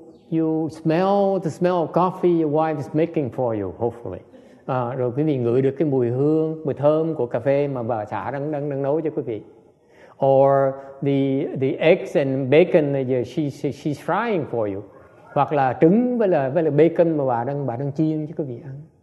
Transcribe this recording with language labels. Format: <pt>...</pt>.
<en>You smell the smell of coffee your wife is making for you, hopefully.</en> <vi>Rồi quý vị ngửi được cái mùi hương, mùi thơm của cà phê mà bà xã đang nấu cho quý vị.</vi> <en>Or the eggs and bacon that she's frying for you.</en> <vi>Hoặc là trứng với là bacon mà bà đang chiên cho quý vị ăn.</vi>